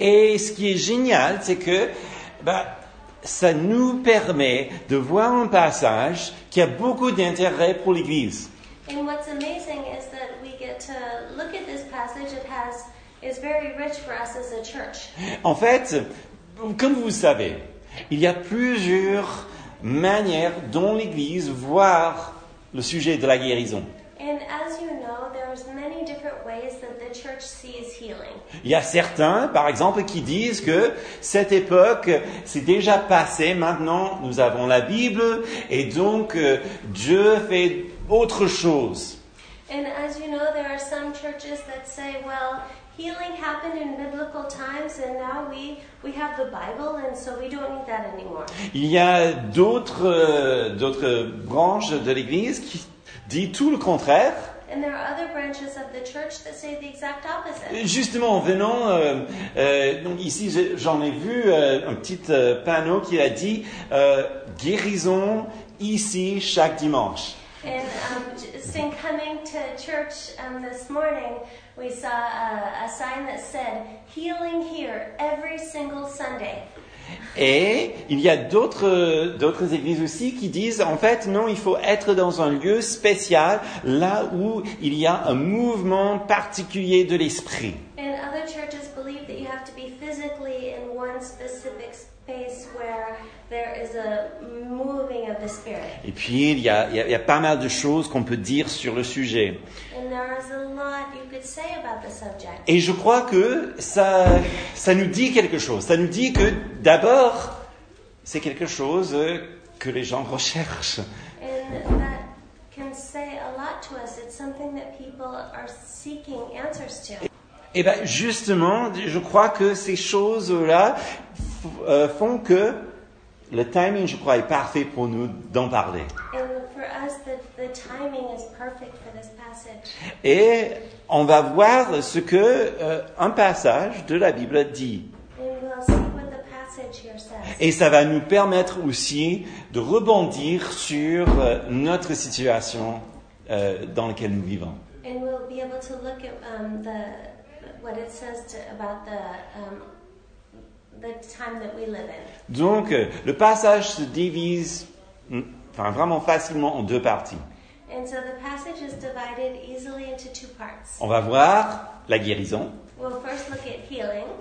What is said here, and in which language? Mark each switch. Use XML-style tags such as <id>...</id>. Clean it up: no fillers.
<fr>Et ce qui est génial, c'est que ça nous permet de voir un passage qui a beaucoup d'intérêt pour l'Église.</fr> <en>And what's amazing is that we get to look at this passage. It has is very rich for us as a church.</en> <fr>En fait, comme vous savez, il y a plusieurs manières dont l'Église voit le sujet de la guérison.</fr> <en>And as you know, there's many different ways that the church sees healing.</en> <fr>Il y a certains, par exemple, qui disent que cette époque s'est déjà passée. Maintenant, nous avons la Bible et donc Dieu fait autre chose.</fr> <en>And as you know, there are some churches that say, well, healing happened in biblical times and now we have the Bible and so we don't need that anymore.</en> <fr>Il y a d'autres branches de l'Église qui dit tout le contraire.</fr> <en>And there are other branches of the church that say the exact opposite.</en> <fr>Justement, venant ici, j'en ai vu un petit panneau qui a dit guérison ici chaque dimanche.</fr> <en>And in coming to church this morning, we saw a sign that said healing here every single Sunday.</en> <fr>Et il y a d'autres églises aussi qui disent, en fait, non, il faut être dans un lieu spécial, là où il y a un mouvement particulier de l'esprit.</fr> <en>And other churches believe that you have to be physically in one specific space where there is a moving of the spirit.</en> <fr>Et puis, il y a pas mal de choses qu'on peut dire sur le sujet.</fr> <en>And there is a lot you could say about the subject.</en> <fr>Et je crois que ça nous dit quelque chose. Ça nous dit que, d'abord, c'est quelque chose que les gens recherchent.</fr> <en>And that can say a lot to us. It's something that people are seeking answers to.</en> <fr>Et bien, justement, je crois que ces choses-là font que le timing, je crois, est parfait pour nous d'en parler.</fr> <en>And for us, the timing is perfect for this passage.</en> <fr>Et on va voir ce que un passage de la Bible dit.</fr> <en>And we'll see what the passage here says.</en> <fr>Et ça va nous permettre aussi de rebondir sur notre situation dans laquelle nous vivons.</fr> <en>And we'll be able to look at what it says about the time that we live in.</en> <fr>Donc, le passage se divise vraiment facilement en deux parties.</fr> <en>And so the passage is divided easily into two parts.</en> <fr>On va voir la guérison.</fr> <en>We'll first look at healing.</en>